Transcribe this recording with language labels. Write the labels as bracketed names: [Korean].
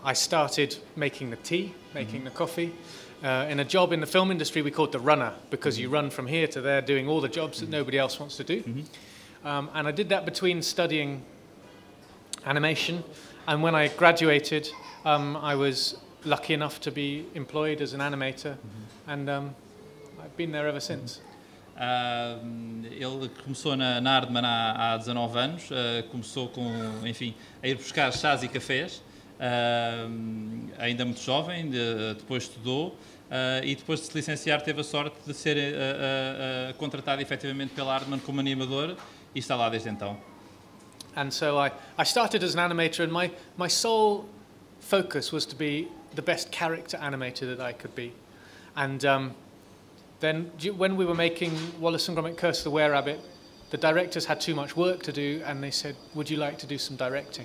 [English] I started making the tea, making the coffee, in a job in the film industry we called the runner, because you run from here to there doing all the jobs that nobody else wants to do. And I did that between studying animation, and when I graduated, I was lucky enough to be employed as an animator, and I've been there ever since. [Portuguese] Ele começou na Aardman há 19 anos, começou com, enfim, a ir buscar chás e cafés, ainda muito jovem, depois estudou e depois de se licenciar teve a sorte de ser contratado efetivamente pela Aardman como animador e está lá desde então. [English] And so I started as an animator and my sole focus was to be the best character animator that I could be. And then when we were making Wallace and Gromit Curse of the Were-Rabbit, the directors had too much work to do and they said, would you like to do some directing?